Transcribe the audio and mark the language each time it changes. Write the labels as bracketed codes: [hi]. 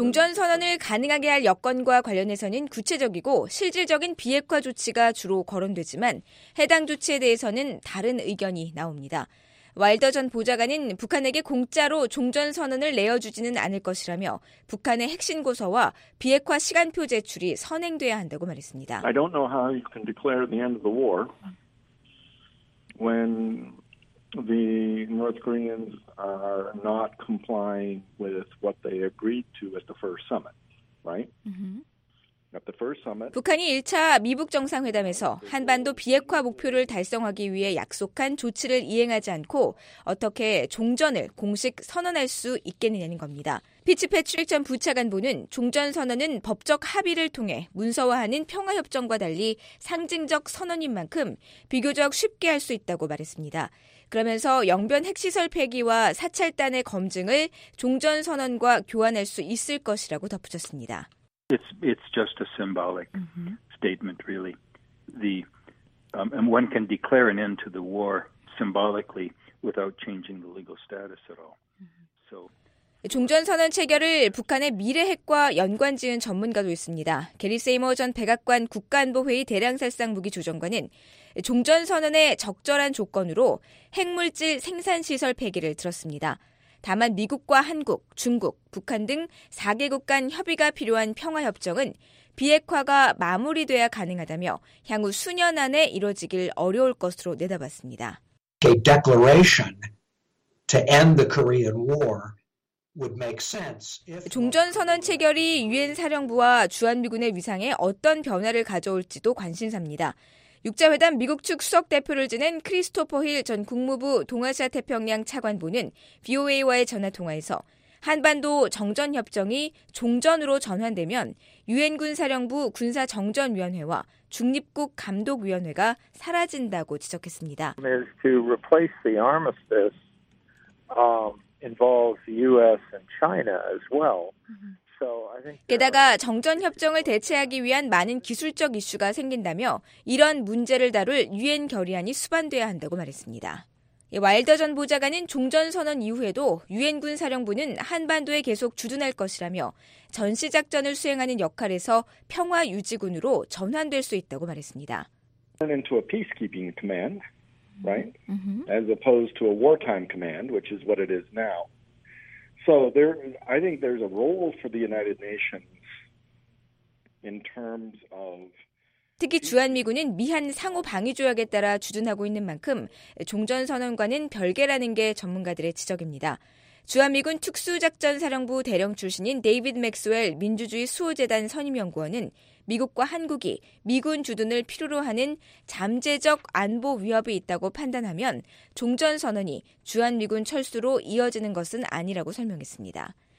[ko] 종전선언을 가능하게 할 여건과 관련해서는 구체적이고 실질적인 비핵화 조치가 주로 거론되지만 해당 조치에 대해서는 다른 의견이 나옵니다. 와일더 전 보좌관은 북한에게 공짜로 종전선언을 내어주지는 않을 것이라며 북한의 핵심고서와 비핵화 시간표 제출이 선행돼야 한다고 말했습니다. [en] I don't know how you can declare the end of the war when the North Koreans are not complying with what they agreed to at the first summit, right? Mm-hmm. [ko] 북한이 1차 미북 정상회담에서 한반도 비핵화 목표를 달성하기 위해 약속한 조치를 이행하지 않고 어떻게 종전을 공식 선언할 수 있겠느냐는 겁니다. 피츠패트릭 전 부차관보는 종전선언은 법적 합의를 통해 문서화하는 평화협정과 달리 상징적 선언인 만큼 비교적 쉽게 할 수 있다고 말했습니다. 그러면서 영변 핵시설 폐기와 사찰단의 검증을 종전선언과 교환할 수 있을 것이라고 덧붙였습니다. [en] It's just a symbolic statement, really. One can declare an end to the war symbolically without changing the legal status at all. So. [ko] 종전선언 체결을 북한의 미래 핵과 연관지은 전문가도 있습니다. 게리 세이머 전 백악관 국가안보회의 대량살상무기조정관은 종전선언의 적절한 조건으로 핵물질 생산시설 폐기를 들었습니다. 다만 미국과 한국, 중국, 북한 등 4개국 간 협의가 필요한 평화협정은 비핵화가 마무리돼야 가능하다며 향후 수년 안에 이뤄지길 어려울 것으로 내다봤습니다. [en] A declaration to end the Korean War would make sense. [ko] 종전선언 체결이 유엔 사령부와 주한미군의 위상에 어떤 변화를 가져올지도 관심사입니다. 육자회담 미국 측 수석대표를 지낸 크리스토퍼 힐 전 국무부 동아시아 태평양 차관보는 VOA와의 전화통화에서 한반도 정전협정이 종전으로 전환되면 유엔군사령부 군사정전위원회와 중립국 감독위원회가 사라진다고 지적했습니다. [en] is to replace the armistice involves U.S. and China as well. [ko] 게다가 정전협정을 대체하기 위한 많은 기술적 이슈가 생긴다며 이런 문제를 다룰 유엔 결의안이 수반돼야 한다고 말했습니다. 와일더 전 보좌관은 종전 선언 이후에도 유엔군 사령부는 한반도에 계속 주둔할 것이라며 전시 작전을 수행하는 역할에서 평화 유지군으로 전환될 수 있다고 말했습니다. [en] Turn into a peacekeeping command, right? As opposed to a wartime command, which is what it is now. So there, I think there's a role for the United Nations in terms of. [ko] 특히 주한미군은 미한 상호방위조약에 따라 주둔하고 있는 만큼 종전선언과는 별개라는 게 전문가들의 지적입니다. 주한미군 특수작전사령부 대령 출신인 데이비드 맥스웰 민주주의 수호재단 선임연구원은 미국과 한국이 미군 주둔을 필요로 하는 잠재적 안보 위협이 있다고 판단하면 종전선언이 주한미군 철수로 이어지는 것은 아니라고 설명했습니다.